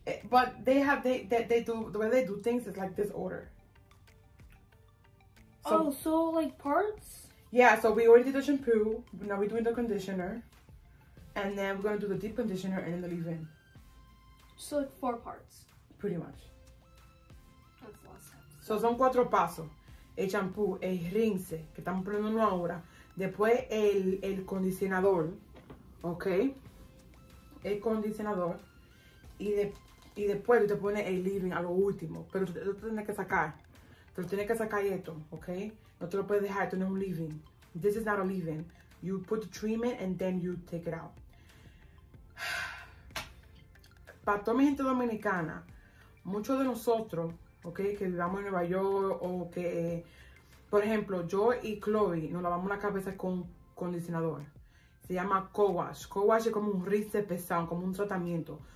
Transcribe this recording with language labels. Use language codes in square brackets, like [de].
[en] But they have they do the way they do things is like this order. So, oh, so like parts? Yeah. So we already did the shampoo. Now we're doing the conditioner, and then we're gonna do the deep conditioner and then the leave-in. So like four parts. Pretty much. That's awesome. [es] So son cuatro pasos: el champú, el rinse que estamos poniendo ahora, después el condicionador, okay? El condicionador y después tú te pones el leave-in a lo último, pero tú tienes que sacar. Tú tienes que sacar esto, okay? No te lo puedes dejar, esto no es un leave-in. [en] This is not a leave-in. You put the treatment and then you take it out. [es] Para toda mi gente dominicana, muchos de nosotros, okay, que vivamos en Nueva York o que, por ejemplo, yo y Chloe nos lavamos la cabeza con condicionador. Se llama co-wash. Co-wash es como un rinse pesado, como un tratamiento.